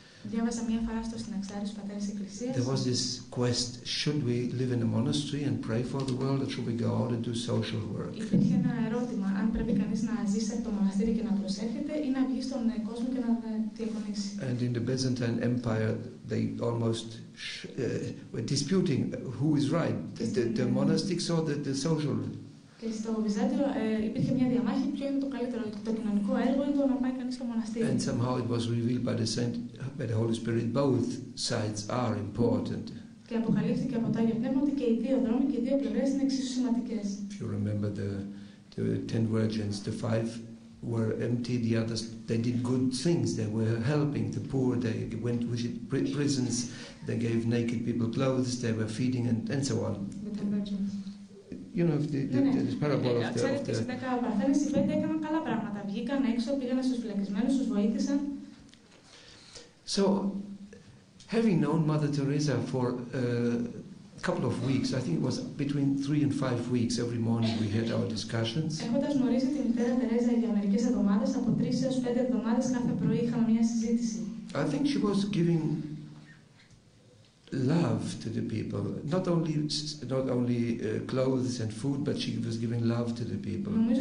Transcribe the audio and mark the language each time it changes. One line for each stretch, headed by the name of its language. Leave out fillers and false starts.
English: There was this quest: should we live in a monastery and pray for the world, or should we go out and do social work? And in the Byzantine Empire, they almost were disputing who is right, the monastics or the social.
Greek: Και στο Βυζάντιο υπήρχε μια διαμάχη, ποιο είναι το καλύτερο, το κοινωνικό έργο ή το να πάει κανείς στο μοναστήρι.
English: And somehow it was revealed by the Saint, by the Holy Spirit, both sides are important.
Greek: Και αποκαλύφθηκε από το Άγιο Πνεύμα ότι και οι δύο δρόμοι και οι δύο πλευρές είναι εξίσου σημαντικές.
English: If you remember the ten virgins, the five were empty, the others, they did good things, they were helping the poor, they went to prisons, they gave naked people clothes, they were feeding and so on. The ten virgins. You know, the parable of the...
Greek: Ξέρετε, στις 10 παρθένες, οι 5 έκαναν καλά πράγματα. Βγήκαν έξω, πήγανε στους φυλακισμένους, τους βοήθησαν.
English: So, having known Mother Teresa for a couple of weeks, I think it was between 3 and 5 weeks, every morning we had our discussions.
Greek: Έχοντας γνωρίσει τη μητέρα Τερέζα για μερικές εβδομάδες, από 3 έως 5 εβδομάδες κάθε πρωί είχαμε μια συζήτηση.
English: I think she was giving love to the people, not only clothes and food, but she was giving love to the people.